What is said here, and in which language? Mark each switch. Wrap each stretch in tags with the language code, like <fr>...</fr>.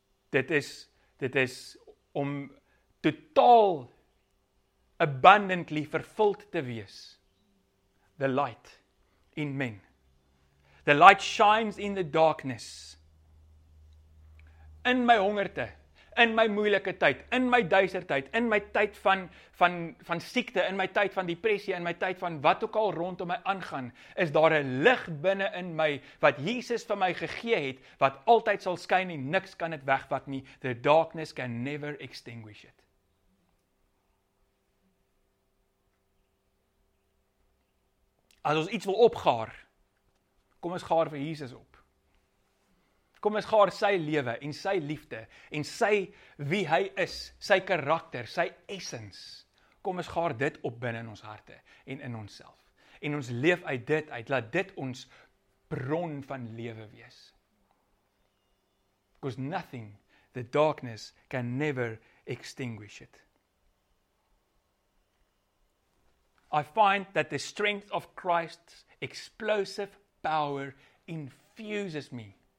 <af>Dit is om totaal abundantly vervuld te wees.</af> <en>The light in men. The light shines in the darkness.</en> <af>In my hongerte, in my moeilike tyd, in my duistertyd, in my tyd van siekte, in my tyd van depressie, in my tyd van wat ook al rondom my aangaan, is daar 'n lig binne in my wat Jesus vir my gegee het, wat altyd sal skyn en niks kan dit wegvat nie.</af> <en>The darkness can never extinguish it.</en> <af>As ons iets wil opgaar, kom ons gaar vir Jesus op. Kom ons gaar sy lewe en sy liefde en sy wie hy is, sy karakter, sy essence. Kom ons gaar dit op binne in ons harte en in onsself. En ons leef uit dit uit, laat dit ons bron van lewe wees.</af> <en>Because nothing, the darkness can never extinguish it. I find that the strength of Christ's explosive power infuses me.</en>